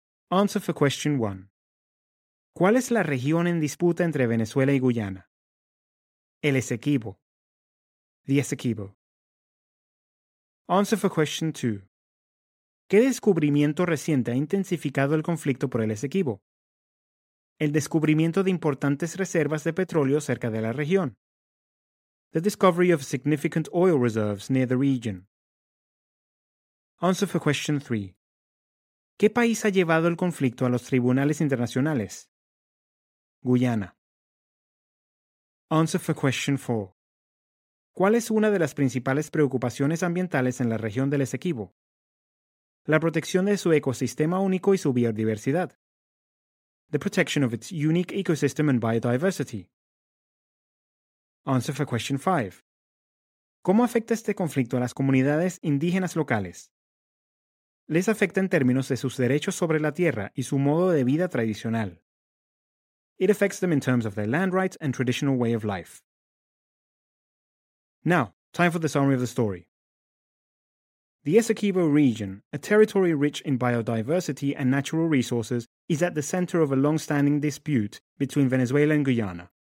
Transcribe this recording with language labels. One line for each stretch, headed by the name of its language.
English: Answer for question 1.
Spanish: ¿Cuál es la región en disputa entre Venezuela y Guyana? El Esequibo.
English: The Esequibo. Answer for question 2.
Spanish: ¿Qué descubrimiento reciente ha intensificado el conflicto por el Esequibo? El descubrimiento de importantes reservas de petróleo cerca de la región.
English: The discovery of significant oil reserves near the region. Answer for question 3.
Spanish: ¿Qué país ha llevado el conflicto a los tribunales internacionales? Guyana.
English: Answer for question 4.
Spanish: ¿Cuál es una de las principales preocupaciones ambientales en la región del Esequibo? La protección de su ecosistema único y su biodiversidad.
English: The protection of its unique ecosystem and biodiversity. Answer for question 5.
Spanish: ¿Cómo afecta este conflicto a las comunidades indígenas locales? Les afecta en términos de sus derechos sobre la tierra y su modo de vida tradicional.
English: It affects them in terms of their land rights and traditional way of life. Now, time for the summary of the story. The Esequibo region, a territory rich in biodiversity and natural resources, is at the center of a long-standing dispute between Venezuela and Guyana.